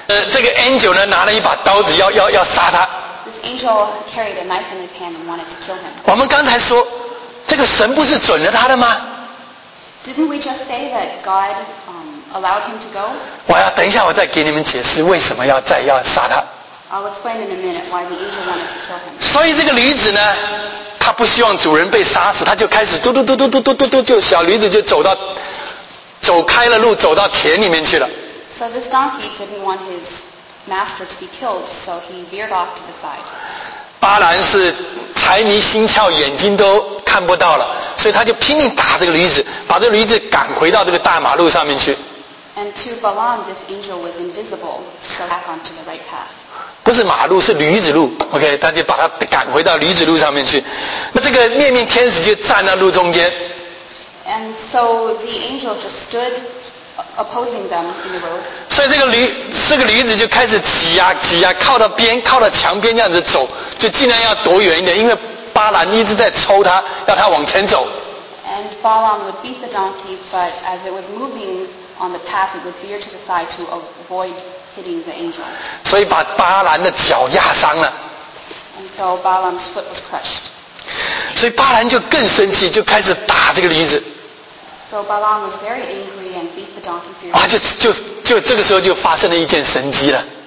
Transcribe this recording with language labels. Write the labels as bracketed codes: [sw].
[zh] 这个 angel 呢拿了一把刀子要杀他。 [en] This angel carried a knife in his hand and wanted to kill him. [zh] 我们刚才说，这个神不是准了他的吗？ [en] Didn't we just say that God allowed him to go? [zh] 我要等一下我再给你们解释为什么要杀他。 [en] I'll explain in a minute why the angel wanted to kill him. [zh] 所以这个驴子呢？他不希望主人被杀死，他就开始嘟嘟嘟嘟嘟嘟嘟嘟，就小驴子就走开了路，走到田里面去了。 [en] So this donkey didn't want his master to be killed, so he veered off to the side. [zh] 巴兰是财迷心窍，眼睛都看不到了，所以他就拼命打这个驴子，把这个驴子赶回到这个大马路上面去。 [en] And to Balaam, this angel was invisible, so back onto the right path. [zh] 不是马路，是驴子路。 OK， 他就把他赶回到驴子路上面去。那这个面面天使就站在路中间。 [en] And so the angel just stood opposing them in the road. [zh] 所以这个驴子就开始挤呀、啊、挤呀、啊，靠到边，靠到墙边这样子走，就尽量要躲远一点，因为巴兰一直在抽他，要他往前走。 [en] And Balaam would beat the donkey, but as it was moving on the path, it would veer to the side to avoid hitting the angel. [zh] 所以把巴兰的脚压伤了。 [en] And so Balaam's foot was crushed. [zh] 所以巴兰就更生气，就开始打这个驴子。 [en] So Balaam was very angry and beat the donkey fiercely. [zh] 就这个时候就发生了一件神迹了。